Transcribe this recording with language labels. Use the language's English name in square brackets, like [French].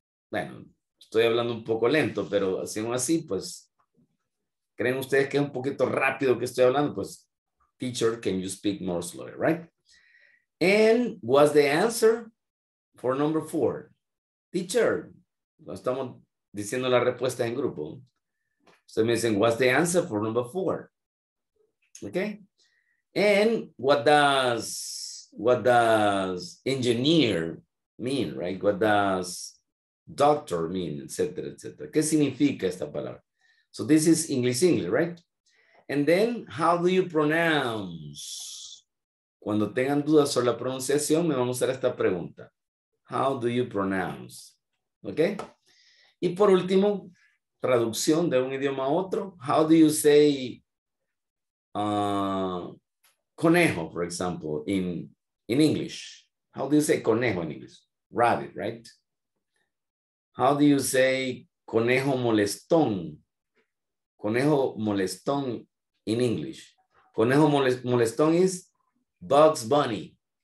[Spanish] Bueno, estoy hablando un poco lento, pero siendo así, pues... ¿Creen ustedes que es un poquito rápido que estoy hablando? [English] Pues, teacher, can you speak more slowly, right? And what's the answer for number 4? [Spanish] Teacher, estamos diciendo la respuesta en grupo. Ustedes me dicen, [English] what's the answer for number 4? Okay. And what does engineer mean, right? What does doctor mean, et cetera, et cetera? [Spanish] ¿Qué significa esta palabra? [English] So this is English, right? And then, how do you pronounce? [Spanish] Cuando tengan dudas sobre la pronunciación, me van a usar esta pregunta. [English] How do you pronounce? Okay? [Spanish] Y por último, traducción de un idioma a otro. [English] How do you say conejo, for example, in English? How do you say conejo in English? Rabbit, right? How do you say conejo molestón? Conejo molestón in English. Conejo molestón is Bugs Bunny.